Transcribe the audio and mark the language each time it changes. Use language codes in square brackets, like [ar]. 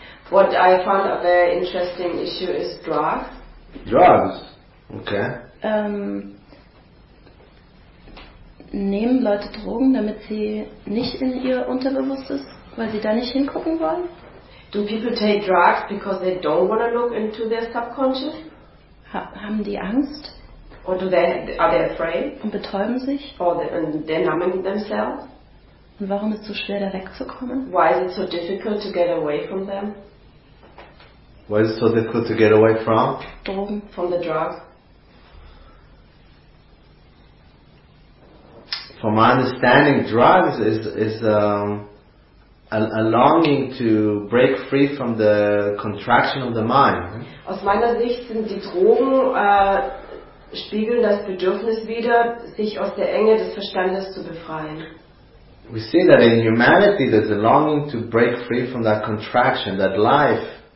[en] What I found a very interesting issue is drugs. Drugs? Okay. [de] Nehmen Leute Drogen, damit sie nicht in ihr Unterbewusstes, weil sie da nicht hingucken wollen? [en] Do people take drugs because they don't want to look into their subconscious? [de] Haben die Angst? [en] Or are they afraid? [de] Und betäuben sich? [en] And they're numbing themselves? [de] Und warum ist es so schwer, da wegzukommen? [en] Why is it so difficult to get away from them? Why is it so difficult to get away from? [de] Drogen. [en] From the drugs. from my understanding, drugs is a longing to break free from the contraction of the mind. [de] Aus meiner Sicht sind die Drogen spiegeln das Bedürfnis wider, sich aus der Enge des Verstandes zu befreien. [en] We see that in humanity there's a longing to break free from that contraction, that life.